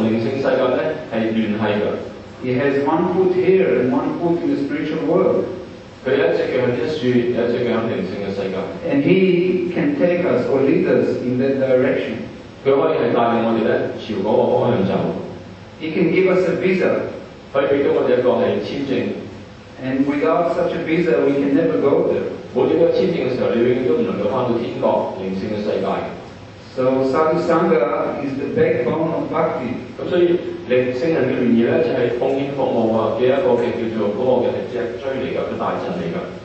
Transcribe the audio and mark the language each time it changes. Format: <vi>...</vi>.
<yue>佢係同靈性世界咧係聯繫嘅。</yue> <en>He has one foot here and one foot in the spiritual world.</en> <yue>佢一隻腳喺一處，一隻腳喺靈性嘅世界。</yue> <en>And he can take us or lead us in that direction.</en> <yue>佢可以係帶領我哋咧朝嗰個方向走。</yue> <en>He can give us a visa.</en> <yue>可以俾到我哋一個係簽證。</yue> <en>And without such a visa, we can never go there.</en> <yue>冇呢個簽證嘅時候，你永遠都唔能夠翻到天國靈性嘅世界。</yue> <en>So sadhu sangha is the backbone of bhakti.</en> <yue>咁所以，靈性人嘅聯誼咧，就係奉獻服務啊嘅一個嘅叫做嗰個嘅係脊椎嚟㗎，個大陣嚟㗎。</yue>